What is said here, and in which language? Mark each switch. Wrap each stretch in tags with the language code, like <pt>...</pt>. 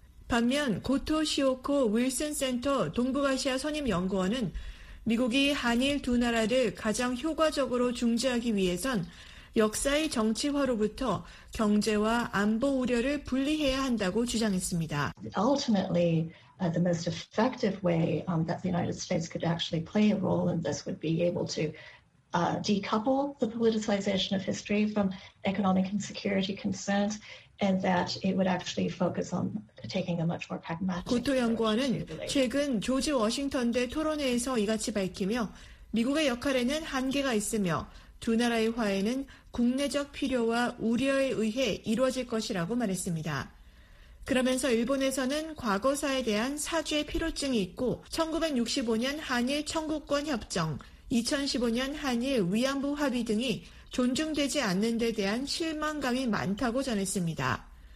<ko>반면 고토 시오코 윌슨 센터 동북아시아 선임 연구원은 미국이 한일 두 나라를 가장 효과적으로 중재하기 위해선 역사의 정치화로부터 경제와 안보 우려를 분리해야 한다고 주장했습니다.</ko> <en>Ultimately, the most effective way that the United States could actually play a role in this would be able to decouple the politicization of history from economic and security concerns, and that it would actually focus on taking a much more pragmatic.</en> <ko>고토 연구원은 최근 조지 워싱턴 대 토론회에서 이같이 밝히며 미국의 역할에는 한계가 있으며 두 나라의 화해는 국내적 필요와 우려에 의해 이루어질 것이라고 말했습니다. 그러면서 일본에서는 과거사에 대한 사죄 필요증이 있고 1965년 한일 청구권 협정, 2015년 한일 위안부 합의 등이 존중되지 않는 데 대한 실망감이 많다고 전했습니다.</ko>